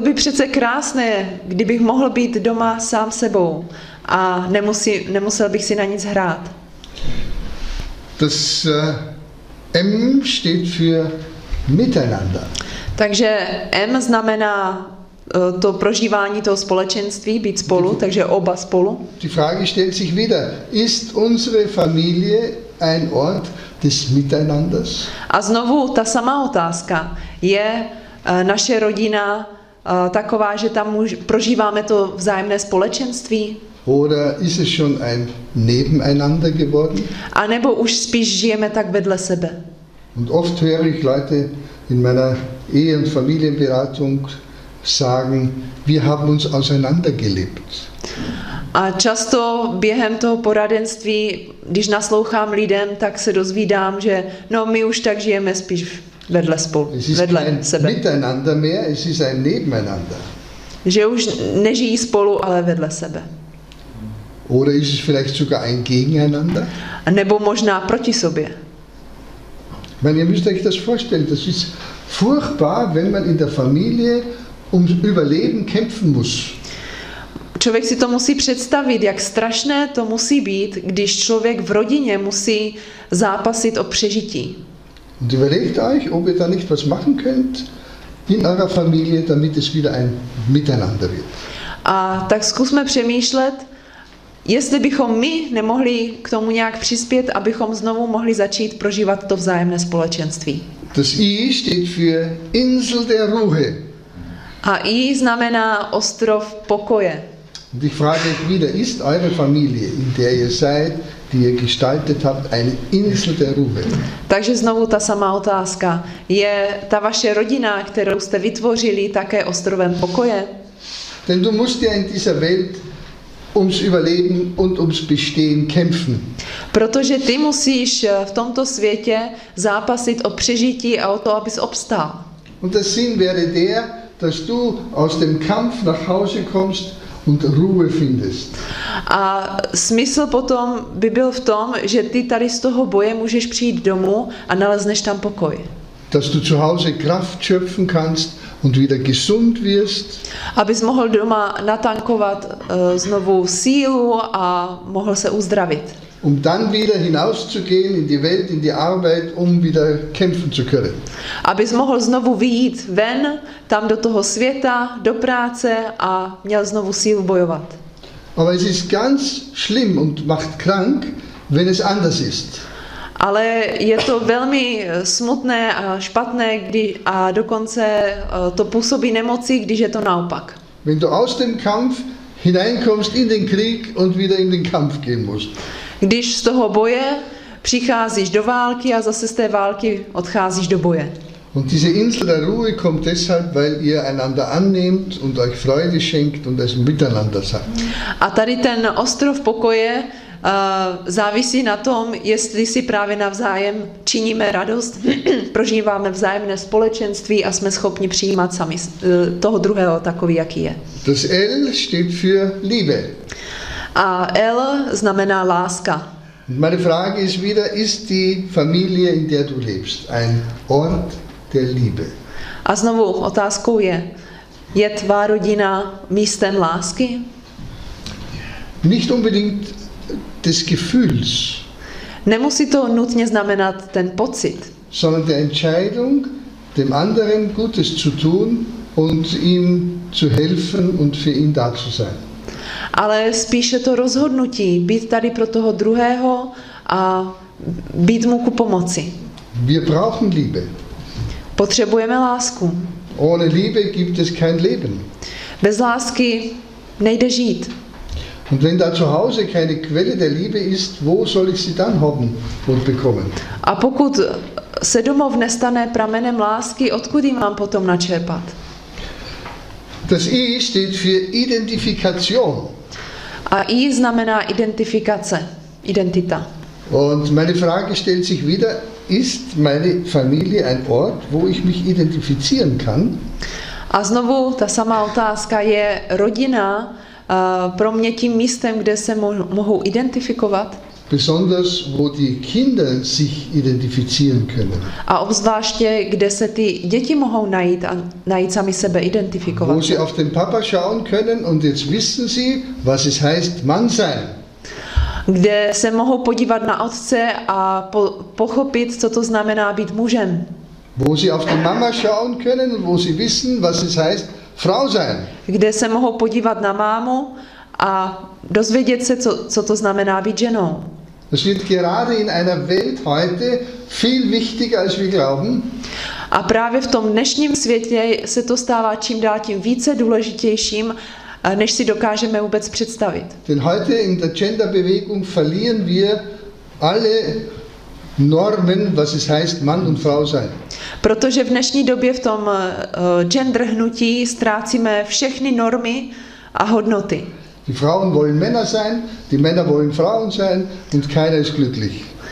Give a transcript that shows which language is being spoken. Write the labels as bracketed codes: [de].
[cs] by přece krásné, kdybych mohl být doma sám sebou a nemusel bych si na nic hrát. [de] Das M steht für miteinander. [cs] Takže M znamená to prožívání toho společenství, být spolu, takže oba spolu. [de] Die Frage stellt sich wieder, ist unsere Familie ein Ort des Miteinanders? [cs] A znovu ta samá otázka. Je naše rodina taková, že tam prožíváme to vzájemné společenství? [de] Oder ist es schon ein Nebeneinander geworden? [cs] A nebo už spíš žijeme tak vedle sebe? [de] Und oft höre ich Leute in meiner Ehe- und Familienberatung sagen, wir haben uns auseinandergelebt. [cs] A často během toho poradenství, když naslouchám lidem, tak se dozvídám, že no, my už tak žijeme spíš vedle spolu, vedle sebe. [de] Es ist kein miteinander mehr, es ist ein nebeneinander. [cs] Že už nežijí spolu, ale vedle sebe. [de] Oder ist es vielleicht sogar ein gegeneinander? [cs] Nebo možná proti sobě. [de] Man, ihr müsst euch das vorstellen, das ist furchtbar, wenn man in der Familie um überleben kämpfen muss. [cs] Člověk si to musí představit, jak strašné to musí být, když člověk v rodině musí zápasit o přežití. [de] Und überlegt euch, ob ihr da nicht was machen könnt in eurer Familie, damit es wieder ein Miteinander wird. [cs] A tak zkusme přemýšlet, jestli bychom my nemohli k tomu nějak přispět, abychom znovu mohli začít prožívat to vzájemné společenství. [de] Das I steht für Insel der Ruhe. [cs] A I znamená ostrov pokoje. [de] Und ich frage euch wieder, ist eure Familie, in der ihr seid, die ihr gestaltet habt, eine Insel der Ruhe? [cs] Takže znovu ta samá otázka. Je ta vaše rodina, kterou jste vytvořili, také ostrovem pokoje? [de] Denn du musst ja in dieser Welt ums Überleben und ums Bestehen kämpfen. [cs] Protože ty musíš v tomto světě zápasit o přežití a o to, abys obstál. [de] Und der Sinn wäre der, dass du aus dem Kampf nach Hause kommst und Ruhe findest. [cs] A smysl potom by byl v tom, že ty tady z toho boje můžeš přijít domů a nalezneš tam pokoj. [de] Dass du zu Hause Kraft schöpfen kannst und wieder gesund wirst. [cs] Abys mohl doma natankovat znovu sílu a mohl se uzdravit. [de] Um dann wieder hinauszugehen in die Welt, in die Arbeit, um wieder kämpfen zu können. [cs] Abys mohl znovu vyjít ven, tam do toho světa, do práce a měl znovu sílu bojovat. [de] Aber es ist ganz schlimm und macht krank, wenn es anders ist. [cs] Ale je to velmi smutné a špatné, a dokonce to působí nemoci, když je to naopak. [de] Wenn du aus dem Kampf hineinkommst in den Krieg und wieder in den Kampf gehen musst. [cs] Když z toho boje přicházíš do války a zase z té války odcházíš do boje. [de] Und diese Insel der Ruhe kommt deshalb, weil ihr einander annehmt und euch Freude schenkt und es miteinander sagt. [cs] A tady ten ostrov pokoje závisí na tom, jestli si právě navzájem činíme radost, prožíváme vzájemné společenství a jsme schopni přijímat sami toho druhého takový, jaký je. [de] Das L steht für Liebe. [cs] A L znamená láska. [de] Meine Frage ist wieder, ist die Familie, in der du lebst, ein Ort der Liebe? [cs] A znovu otázkou je, je tvá rodina místem lásky? [de] Nicht unbedingt des Gefühls. [cs] Nemusí to nutně znamenat ten pocit. [de] Sondern die Entscheidung, dem anderen Gutes zu tun und ihm zu helfen und für ihn da zu sein. [cs] Ale spíše to rozhodnutí být tady pro toho druhého a být mu ku pomoci. [de] Wir brauchen Liebe. [cs] Potřebujeme lásku. [de] Ohne Liebe gibt es kein Leben. [cs] Bez lásky nejde žít. [de] Und wenn da zu Hause keine Quelle der Liebe ist, wo soll ich sie dann haben und bekommen? [cs] A pokud se domov nestane pramenem lásky, odkud ji mám potom načerpat? [de] Das I steht für Identifikation. [cs] A I znamená identifikace, identita. [de] Und meine Frage stellt sich wieder, ist meine Familie ein Ort, wo ich mich identifizieren kann? [cs] A znovu ta samá otázka, je rodina pro mě tím místem, kde se mohou identifikovat? [de] Besonders wo die Kinder sich identifizieren können. [cs] A obzvláště, kde se ty děti mohou najít a najít sami sebe identifikovat. [de] Wo sie auf den Papa schauen können und jetzt wissen sie, was es heißt, Mann sein. [cs] Kde se mohou podívat na otce a pochopit, co to znamená být mužem. [de] Wo sie auf die Mama schauen können und wo sie wissen, was es heißt, Frau sein. [cs] Kde se mohou podívat na mámu a dozvědět se, co to znamená být ženou. [de] Das wird gerade in einer Welt heute viel wichtiger als wir glauben. [cs] A právě v tom dnešním světě se to stává čím dál tím více důležitějším, než si dokážeme vůbec představit. [de] Denn heute in der Genderbewegung verlieren wir alle Normen, was es heißt, Mann und Frau sein. [cs] Protože v dnešní době v tom gender hnutí ztrácíme všechny normy a hodnoty. [de] Die Frauen wollen Männer sein, die Männer wollen Frauen sein und keiner ist glücklich.